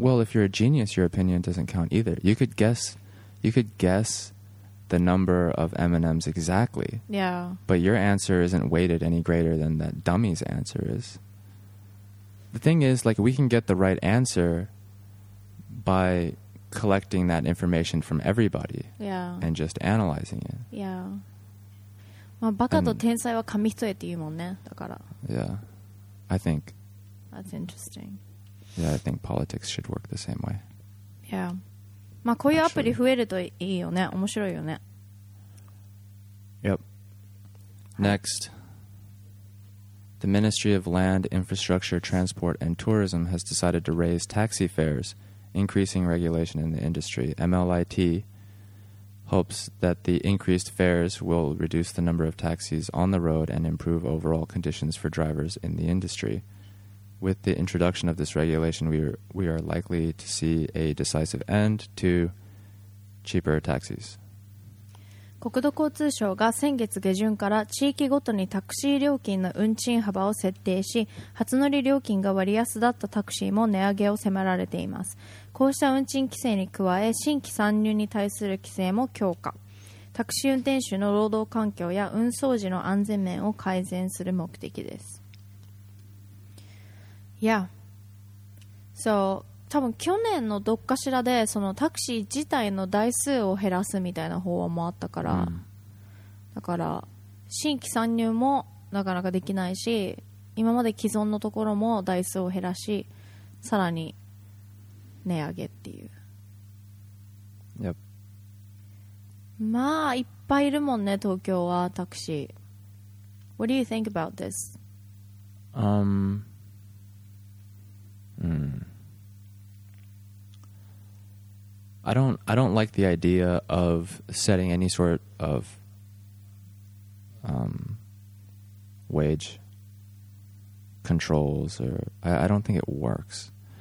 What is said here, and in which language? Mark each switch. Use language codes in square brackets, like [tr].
[en] Well, if you're a genius your opinion doesn't count either. You could guess the number of M&Ms exactly. Yeah. But your answer isn't weighted any greater than that dummy's answer is. The thing is, like, we can get the right answer by collecting that information from everybody. Yeah. And just analyzing it. Yeah. [ja] まあ、バカと天才は紙一重って言うもんね。だから。 [en] Yeah. I think. That's interesting. Yeah, I think politics should work the same way. Yeah. [ja] まあこういうアプリ増えるといいよね。面白いよね。 [en] Yep. Next. The Ministry of Land, Infrastructure, Transport, and Tourism has decided to raise taxi fares, increasing regulation in the industry. MLIT hopes that the increased fares will reduce the number of taxis on the road and improve overall conditions for drivers in the industry. With the introduction of this regulation, we are likely to see a decisive end to cheaper taxis. [ja] 国土交通省が先月下旬から地域ごとにタクシー料金の運賃幅を設定し、初乗り料金が割安だったタクシーも値上げを迫られています。こうした運賃規制に加え、新規参入に対する規制も強化。タクシー運転手の労働環境や運送時の安全面を改善する目的です。 [en] Yeah. [ja] So, 多分去年のどっかしらでそのタクシー自体の台数を減らすみたいな法案もあったから、だから新規参入もなかなかできないし、今まで既存のところも台数を減らし、さらに値上げっていう。 [en] Yep. [ja] まあいっぱいいるもんね、東京はタクシー。 [en] What do you think about this? I don't like the idea of setting any sort of wage controls, or I don't think it works.